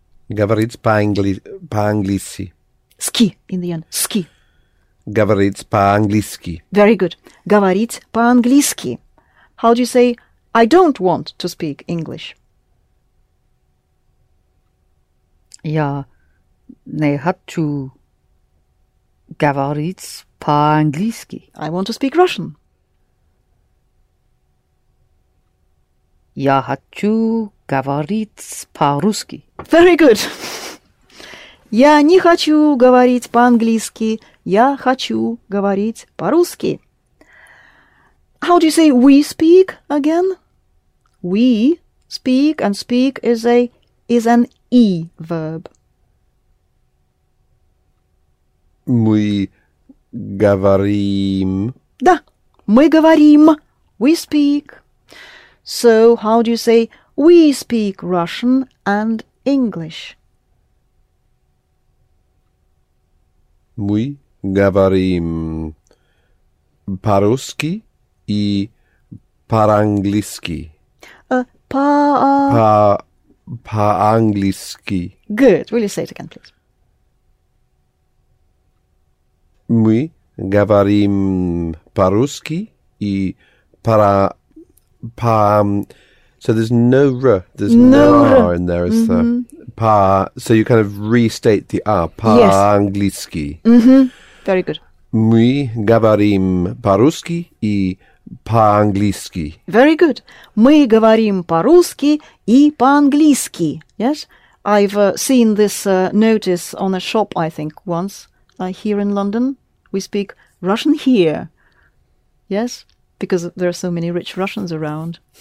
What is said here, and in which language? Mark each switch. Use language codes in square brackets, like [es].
[ru] Говорить по-английски. [en] Ски in the end. [ru] Ски. Говорить по-английски. [en] Very good. [ru] Говорить по-английски. [en] How do you say, I don't want to speak English? [ru] Я не хочу говорить по-английски. [en] I want to speak Russian. [ru] Я хочу говорить по-русски. [en] Very good. [ru] Я не хочу говорить по-английски. Я хочу говорить по-русски. [en] How do you say we speak again? We speak, and speak is an e verb. [ru] Мы говорим. Да, мы говорим. [en] We speak. So, how do you say we speak Russian and English? [ru] Мы говорим по-русски и по-английски. По-английски. [en] Good. Will you say it again, please? [ru] Мы говорим по-русски и по-английски. [en] So there's no r, there's no, no r in there, is mm-hmm. there? Pa. So you kind of restate the r. [ru] Pa angliski. [en] Yes. Mm-hmm. Very good. [ru] Мы говорим по-русски и по-английски. [en] Very good. [ru] Мы говорим по-русски и по-английски. [en] Yes? I've seen this notice on a shop, I think, once here in London. We speak Russian here. Yes? Because there are so many rich Russians around.